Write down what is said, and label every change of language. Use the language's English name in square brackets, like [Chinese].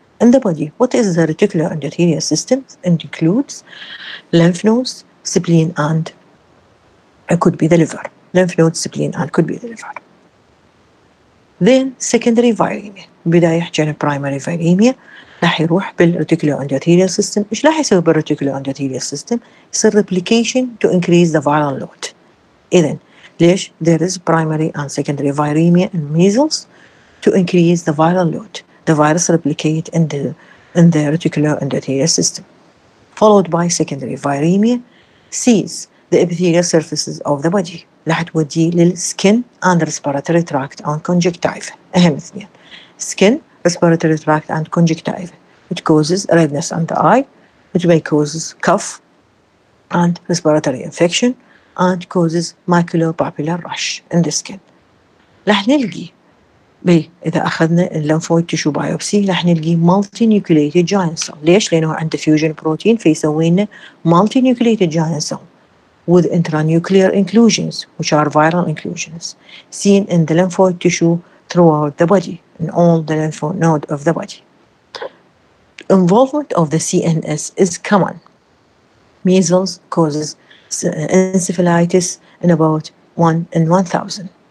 [English] In the body, what is the reticuloendothelial system? It includes lymph nodes, spleen, and it could be the liver. Lymph nodes, spleen, and could be the liver. Then secondary viremia. [Arabic] بداية حجينا primary viremia. راح يروح بالreticuloendothelial system. إيش راح يسوي بالreticuloendothelial system؟ يصير replication to increase the viral load. إذن ليش [English] there is primary and secondary viremia in measles to increase the viral load. The virus replicate in the reticuloendothelial system. Followed by secondary viremia seize the epithelial surfaces of the body. [Arabic] راح تودي للسكن [English] and respiratory tract and conjunctiva. [Arabic] أهم اثنين. [English] Skin, respiratory tract and conjunctiva. It causes redness on the eye. It may cause cough and respiratory infection and causes maculopapular rash in the skin. [Arabic] راح نلقي إذا أخذنا اللمفويد تشو بايوبسي راح نلقي multinucleated giant cell. ليش؟ لأنه عنده fusion protein فيسوينا multinucleated giant cell. [English] With intranuclear inclusions, which are viral inclusions, seen in the lymphoid tissue throughout the body, in all the lymphoid node of the body. Involvement of the CNS is common. Measles causes encephalitis in about 1 in 1,000.